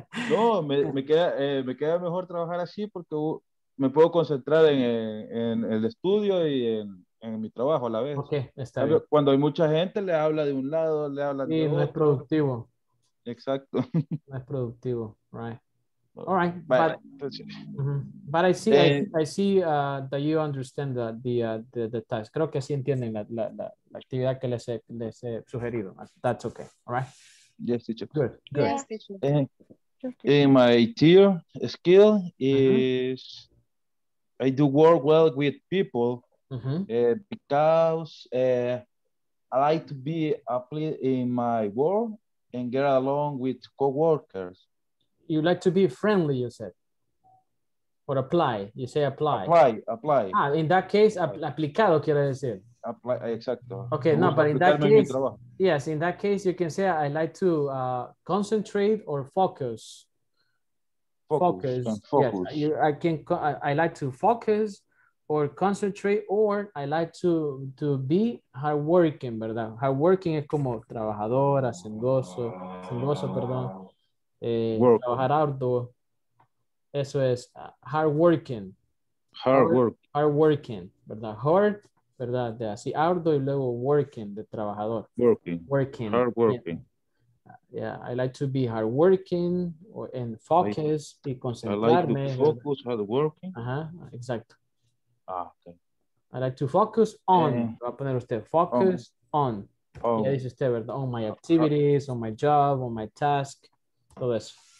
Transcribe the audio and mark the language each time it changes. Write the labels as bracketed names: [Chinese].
[Spanish] No, me queda mejor trabajar así porque me puedo concentrar en el estudio y en mi trabajo a la vez. Okay, está bien. Cuando hay mucha gente, le habla de un lado, le habla de otro. Y no es productivo. Exacto. No es productivo, right. [English] All right, but I see that you understand the task. [Spanish] Creo que sí entienden la actividad que les he sugerido. [English] That's okay, all right? Yes, teacher. Good. Yes, teacher. In my tier skill is I do work well with people. Mm-hmm. Because I like to be applied in my work and get along with co-workers. You like to be friendly, you said. Or apply. You say apply. Apply. [Spanish] Ah, [English] in that case, [Spanish] aplicado quiere decir. Apply, exacto. [English] Okay, no, but in that case, yes, in that case, you can say I like to concentrate or focus. I like to focus. Or concentrate, or I like to be hardworking, ¿verdad? [Spanish] Hardworking es como trabajador, trabajar arduo. Eso es hardworking. [English] Hardworking, [Spanish] ¿verdad? Hard, ¿verdad? De así arduo y luego working, de trabajador. [English] Working. Hardworking. Yeah, I like to be hardworking and focus [Spanish] y concentrarme. [English] I like to focus hardworking. [Spanish] Ajá, exacto. [English] Okay. I like to focus on. [Spanish] Va a poner usted focus on. Ya dice usted, ¿verdad? [English] On my activities, on my job, on my task. [Spanish] Todo eso.